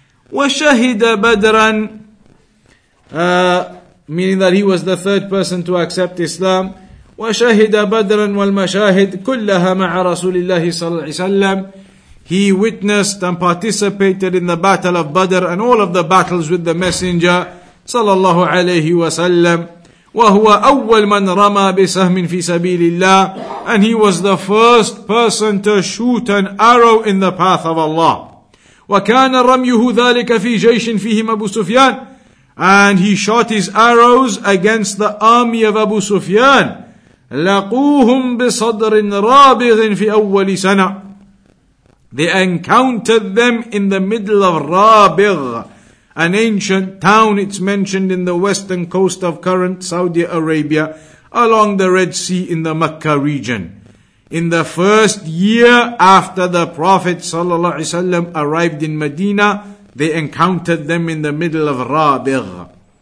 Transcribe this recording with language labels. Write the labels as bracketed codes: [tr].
[ar] وَشَهِدَ بَدْرًا, [en] meaning that he was the third person to accept Islam. [ar] وَشَهِدَ بَدْرًا وَالْمَشَاهِدْ كُلَّهَ مَعَ رَسُولِ اللَّهِ صَلَّى اللَّهِ سَلَّمَ. [en] He witnessed and participated in the battle of Badr and all of the battles with the messenger صلى الله عليه وسلم. [ar] وهو أول من رمى بسهم في سبيل الله. [en] And he was the first person to shoot an arrow in the path of Allah. [ar] وكان رميه ذلك في جيش فيهم أبو سفيان. [en] And he shot his arrows against the army of Abu Sufyan. [ar] لقوهم بصدر رابغ في أول سنة. [en] They encountered them in the middle of رابغ, an ancient town. It's mentioned in the western coast of current Saudi Arabia, along the Red Sea in the Mecca region. In the first year after the Prophet ﷺ arrived in Medina, they encountered them in the middle of Rabigh.